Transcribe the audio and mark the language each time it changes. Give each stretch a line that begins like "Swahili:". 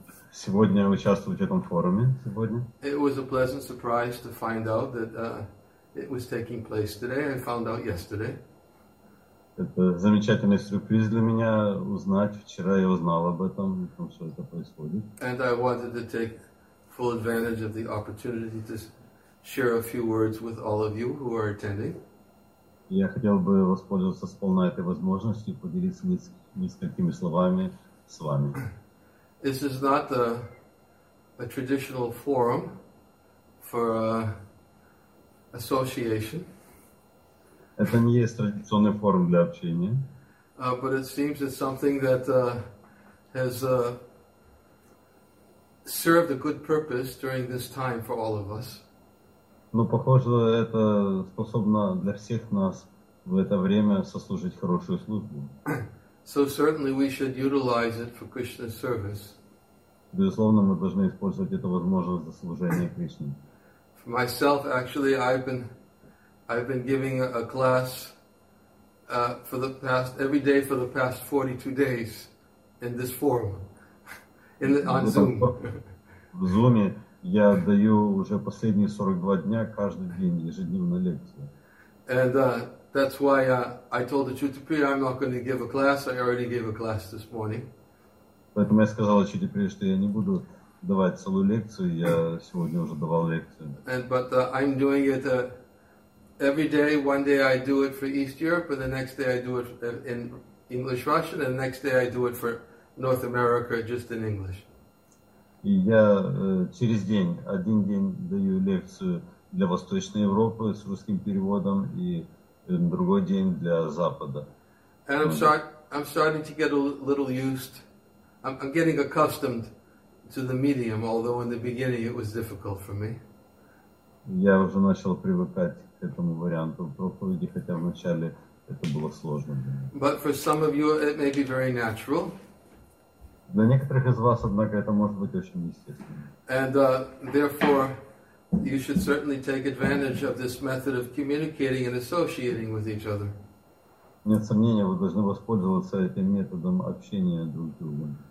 Russian: Сегодня участвовать в этом форуме сегодня.
English: It was a pleasant surprise to find out that it was taking place today. I found out yesterday.
Russian: Это замечательный сюрприз для меня узнать. Вчера я узнал об этом, что это происходит.
English: And I wanted to take full advantage of the opportunity to share a few words with all of you who are attending.
Russian: Я хотел бы воспользоваться сполна этой возможностью и поделиться несколькими словами с вами.
English: This is not a traditional forum for association.
Russian: Это не есть традиционный форум для общения.
English: But it seems it's something that has served a good purpose during this time for all of us.
Russian: Но похоже, это способно для всех нас в это время сослужить хорошую службу.
English: So certainly we should utilize it for Krishna's service.
Russian: Безусловно, мы должны использовать эту возможность для служения Кришне.
English: For myself, actually, I've been giving a class for the past every day for the past 42 days in this forum, on Zoom.
Russian: В Zoom'е я даю уже последние 42 дня каждый день ежедневно лекцию.
English: And that's why I told the Chuti Priya I'm not going to give a class. I already gave a class this morning.
Russian: Поэтому я сказал Чуди Прия, что я не буду давать целую лекцию. Я сегодня уже давал лекцию.
English: And but I'm doing it every day. One day I do it for East Europe, and the next day I do it in English Russian, and the next day I do it for North America, just in English.
Russian: И я через день, один день даю лекцию для Восточной Европы с русским переводом, и другой день для Запада.
English: And I'm starting to get a little used. I'm getting accustomed to the medium, although in the beginning it was difficult for me.
Russian: Я уже начал привыкать к этому варианту проповеди, хотя вначале это было сложно.
English: But for some of you it may be very natural.
Russian: Для некоторых из вас, однако, это может быть очень естественно.
English: And therefore you should certainly take advantage of this method of communicating and associating with each other.
Russian: Нет сомнения, вы должны воспользоваться этим методом общения друг с другом.